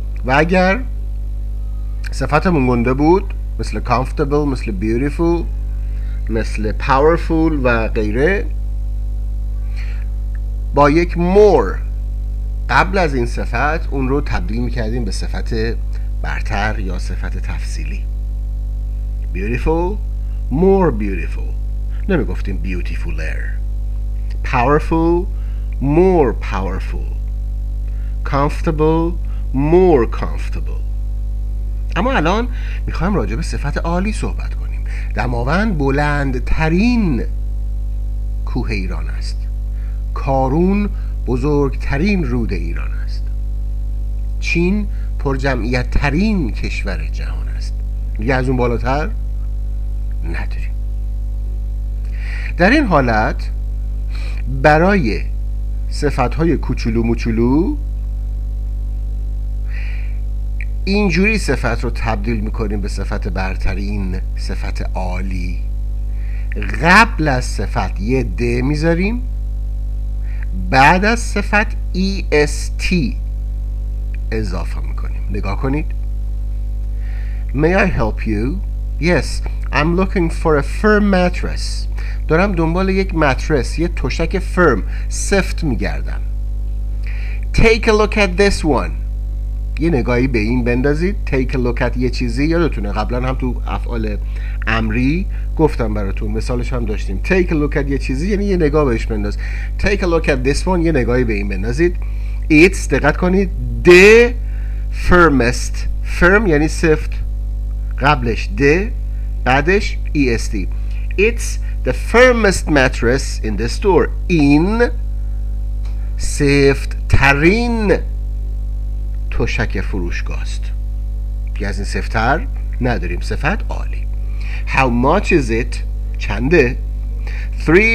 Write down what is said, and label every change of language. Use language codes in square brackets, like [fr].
[fa] و اگر صفتمون گنده بود، مثل comfortable، مثل beautiful، مثل powerful و غیره، با یک more قبل از این صفت اون رو تبدیل میکردیم به صفت برتر یا صفت تفضیلی. beautiful، more beautiful، نمی گفتیم beautifuler. powerful، more powerful. comfortable، more comfortable. اما الان میخوایم راجع به صفت عالی صحبت کنیم. دماوند بلندترین کوه ایران است، کارون بزرگترین رود ایران است، چین پر جمعیت ترین کشور جهان است. دیگه از اون بالاتر نداریم. در این حالت برای صفتهای کوچولو موچولو اینجوری صفت رو تبدیل میکنیم به صفت برترین، صفت عالی. قبل از صفت یه د میذاریم، بعد از صفت EST اضافه میکنیم. نگاه کنید. [en] May I help you? Yes, I'm looking for a firm mattress. [fa] دارم دنبال یک ماترس، یه تشک فرم، سفت میگردم. [en] Take a look at this one. [fa] یه نگاهی به این بندازید. [en] Take a look at [fa] یه چیزی، یادتونه قبلا هم تو افعال امری گفتم براتون، مثالش هم داشتیم. [en] Take a look at [fa] یه چیزی یعنی یه نگاه بهش بنداز. [en] Take a look at this one، [fa] یه نگاهی به این بندازید. [en] It's، [fa] دقت کنید، [en] the firmest. [fa] firm یعنی سفت، قبلش the، بعدش est. [en] It's the firmest mattress in the store. [fa] این سفت ترین تشک فروشگاه است. دیگه از این سفتر نداریم. صفت عالی. [en] How much is it؟ [fa] چنده؟ [en] $300.